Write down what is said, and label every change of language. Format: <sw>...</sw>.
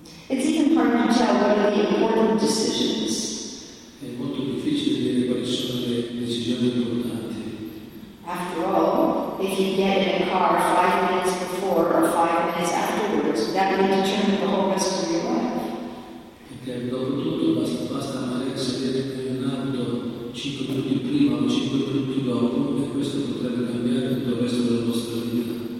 <en>It's even hard to tell what are the important decisions.</en> <it>È molto difficile dire quali sono le decisioni importanti.</it> <en>After all, if you get in a car 5 minutes before or 5 minutes afterwards, that will determine the whole rest of your life.</en> <it>Perché dopo tutto basta andare a sedere in un'auto 5 minuti prima o 5 minuti dopo e questo potrebbe cambiare tutto il resto della vostra vita.</it>